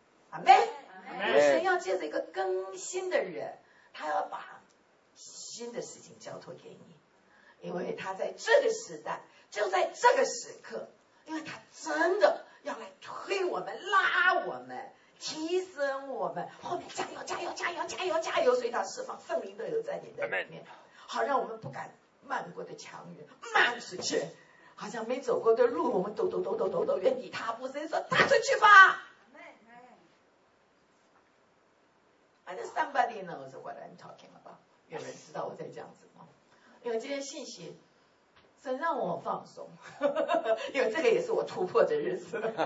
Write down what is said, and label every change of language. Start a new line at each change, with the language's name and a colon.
Chinese: 阿妹，神要借着一个更新的人，他要把新的事情交托给你，因为他在这个时代，就在这个时刻，因为他真的要来推我们，拉我们，提升我们，后面加油加油加油加油加油，所以他释放圣灵的油在你的里面，好让我们不敢漫过的墙垣漫出去，好像没走过的路，我们抖抖抖抖抖抖，原地踏步，神说踏出去吧。
English: I think somebody knows what I'm talking about.
Chinese: 有人知道我在讲什么？因为今天信息真让我放松，因为这个也是我突破的日子。